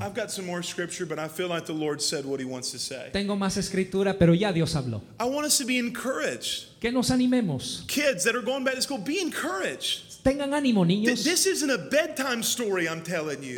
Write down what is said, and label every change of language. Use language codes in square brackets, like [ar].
[en] I've got some more scripture, but I feel like the Lord said what He wants to say. [es] Tengo más escritura, pero ya Dios habló. [en] I want us to be encouraged. [es] Que nos animemos. [en] Kids that are going back to school, be encouraged. [es] Tengan ánimo, niños. [en] This isn't a bedtime story I'm telling you.